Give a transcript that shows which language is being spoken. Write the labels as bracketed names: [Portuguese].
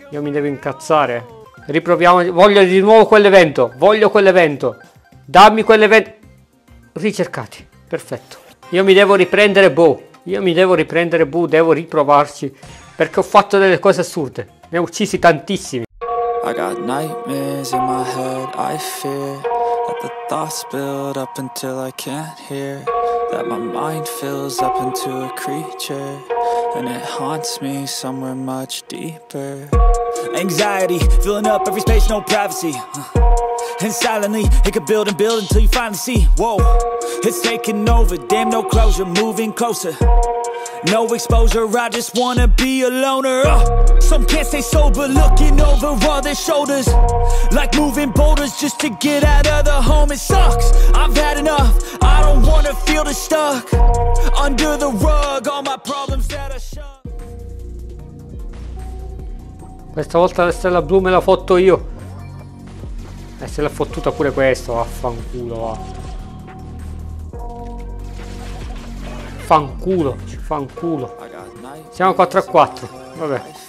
[Italian] Io mi devo incazzare. Riproviamo, voglio di nuovo quell'evento. Voglio quell'evento. Dammi quell'evento. Ricercati, perfetto. Io mi devo riprendere, boh. Io mi devo riprendere, boh, devo riprovarci. Perché ho fatto delle cose assurde. Ne ho uccisi tantissimi. [English] I got nightmares in my head, I fear that the thoughts build up until I can't hear. That my mind fills up into a creature and it haunts me somewhere much deeper. Anxiety filling up every space, no privacy. And silently it could build and build until you finally see. Whoa, it's taking over, damn no closure, moving closer. No exposure, I just wanna be a loner. Some can't stay sober, looking over all their shoulders. Like moving boulders just to get out of the home. It sucks, I've had enough, I don't wanna feel the stuck. Under the rug, all my problems that I shove. [Italian] Questa volta la stella blu me la fotto io. E se l'ha fottuta pure questo, vaffanculo, va. Fanculo, ci fanculo. Siamo 4 a 4. Vabbè.